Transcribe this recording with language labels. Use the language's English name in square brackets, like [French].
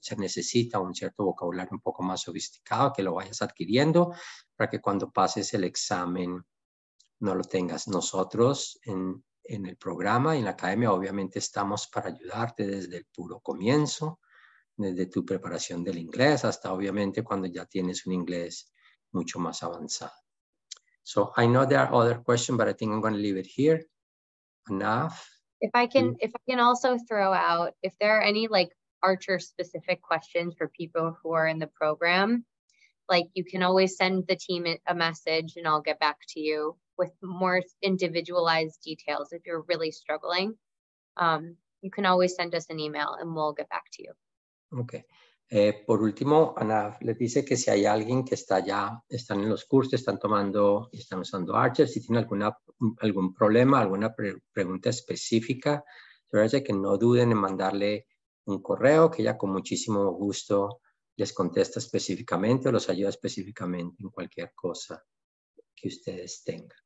[Spanish] Se necesita un cierto vocabulario un poco más sofisticado, que lo vayas adquiriendo para que cuando pases el examen no lo tengas. Nosotros en el programa y en la academia, obviamente, estamos para ayudarte desde el puro comienzo, desde tu preparación del inglés hasta, obviamente, cuando ya tienes un inglés mucho más avanzado. [English] So, I know there are other questions, but I think I'm going to leave it here. Enough. If I can also throw out, if there are any like Archer specific questions for people who are in the program, like you can always send the team a message and I'll get back to you with more individualized details. If you're really struggling, you can always send us an email and we'll get back to you. Okay. [Spanish] Por último, Ana les dice que si hay alguien que está ya, están en los cursos, están tomando y están usando Archer, si tiene algún problema, alguna pregunta específica, que no duden en mandarle un correo, que ella con muchísimo gusto les contesta específicamente o los ayuda específicamente en cualquier cosa que ustedes tengan.